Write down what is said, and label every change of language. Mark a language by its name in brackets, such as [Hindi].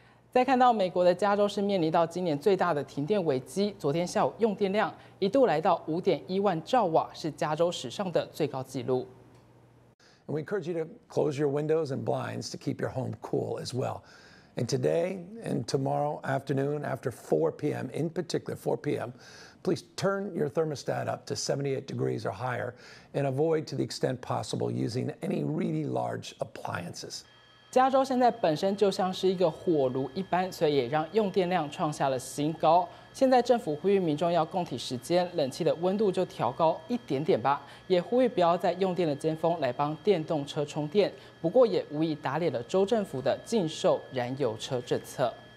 [Chinese] 再看到美国的加州是面临到今年最大的停电危机，昨天下午用电量一度来到5.1万兆瓦，是加州史上的最高纪录。 [English] And we encourage you to close your windows and blinds to keep your home cool as well. And today and tomorrow afternoon after 4 p.m. in particular, 4 p.m. Please turn your thermostat up to 78 degrees or higher and avoid to the extent possible using any really large appliances. [Chinese] 加州现在本身就像是一个火炉一般，所以也让用电量创下了新高。现在政府呼吁民众要供体时间，冷气的温度就调高一点点吧，也呼吁不要再用电的尖峰来帮电动车充电，不过也无疑打脸了州政府的禁售燃油车政策。